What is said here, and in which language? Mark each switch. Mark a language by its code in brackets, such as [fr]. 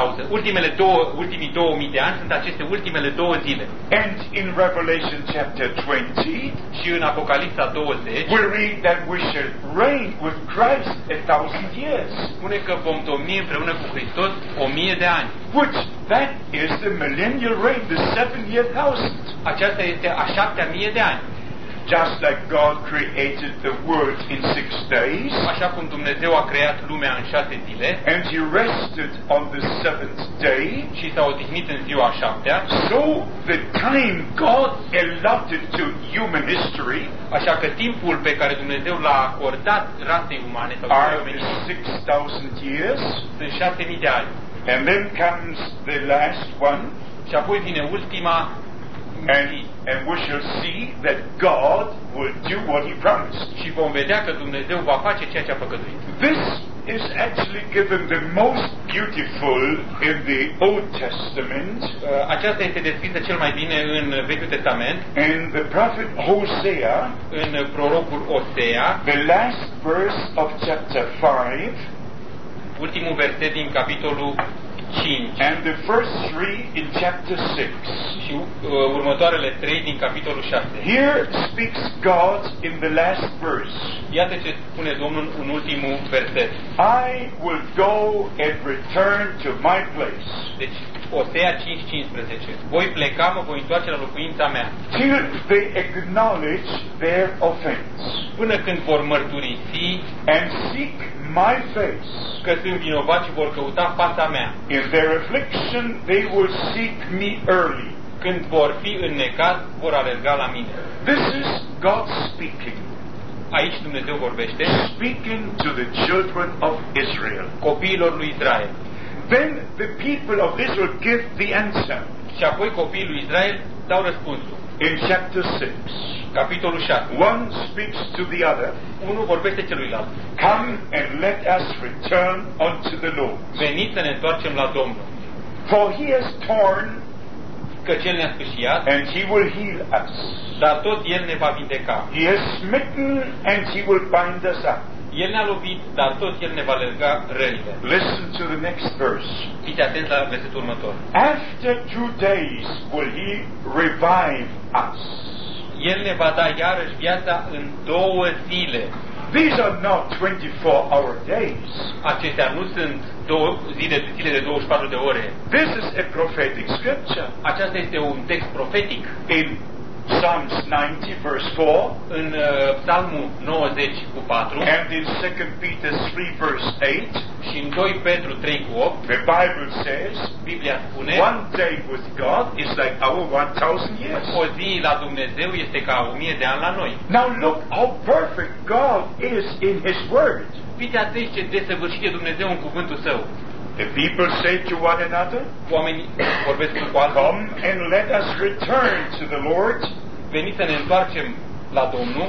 [ro] Ultimii 2000 de ani sunt aceste ultimele două zile. [en] And in Revelation chapter 20, [ro] și în Apocalipsa 20, [en] we read that we shall reign with Christ 1000 years. [ro] Spune că vom domni împreună cu Hristos 1000 de ani. [en] Which that is the millennial reign, the 7-year thousand. [ro] Aceasta este a 7000 de ani. [en] Just like God created the world in 6 days, [ro] așa cum Dumnezeu a creat lumea în 6 zile, [en] and he rested on the 7th day, [ro] și s-a odihnit în ziua a 7-a, [en] so the time God allotted to human history, [ro] așa că timpul pe care Dumnezeu l-a acordat rasei umane, sau [en] are 6,000 years, [ro] sunt 6,000 de ani. [en] And then comes the last one, [ro] și apoi vine ultima. [en] And we shall see that God will do what he promised. [ro] Și vom vedea că Dumnezeu va face ceea ce a făgăduit. [en] This is actually given the most beautiful in the Old Testament. [ro] Aceasta este descrisă cel mai bine în Vechiul Testament. [en] In the prophet Hosea, [ro] în prorocul Hosea, [en] the last verse of chapter 5, [ro] ultimul verset din capitolul 5. [en] And the first 3 in chapter 6. [ro] Și următoarele 3 din capitolul 6. [en] Here speaks God in the last verse. [ro] Iată ce spune Domnul în ultimul verset. [en] I will go and return to my place. [ro] Deci, Osea 5:15. Voi pleca, mă voi întoarce la locuința mea. [en] Till they acknowledge their offense. [ro] Până când vor mărturisi. [en] And seek my face. [ro] Că sunt vinovați, vor căuta fața mea. [en] In their affliction they will seek me early. [ro] Când vor fi în necaz, vor alerga la mine. [en] This is God speaking. [ro] Aici Dumnezeu vorbește. [en] Speaking to the children of Israel. [ro] Copiilor lui Israel. [en] Then the people of Israel give the answer. [ro] Și apoi copiii lui Israel dau răspunsul. [en] In chapter 6. [ro] Capitolul 6. [en] One speaks to the other. [ro] Unul vorbește celuilalt. [en] Come and let us return unto the Lord. [ro] Veniți să ne întoarcem la Domnul. [en] For he has torn, [ro] căci el ne-a spășiat, [en] and he will heal us. [ro] Dar tot el ne va vindeca. [en] He has smitten and he will bind us up. [ro] El ne-a lovit, dar tot el ne va lega rănile. [en] Listen to the next verse. [ro] Fiți atenți la versetul următor. [en] After 2 days will he revive us. [ro] El ne va da iarăși viața în două zile. [en] These are not 24 hour days. [ro] Acestea nu sunt zile de 24 de ore. [en] This is a prophetic scripture. [ro] Aceasta este un text profetic. [en] In Psalms 90 verse 4. [ro] În Psalmul 90 cu 4. [en] And in 2 Peter 3 verse 8. [ro] Și în 2 Petru 3 cu 8. [en] The Bible says, [ro] Biblia spune, [en] one day with God is like our 1000 years. [ro] O zi la Dumnezeu este ca 1000 de ani la noi. [en] Now look how perfect God is in his word. [ro] Fiți atenți ce desăvârșit e Dumnezeu în cuvântul său. [en] The people say to one another, [ro] oamenii vorbesc cu alții, [en] come and let us return to the Lord, [ro] veniți să ne întoarcem la Domnul,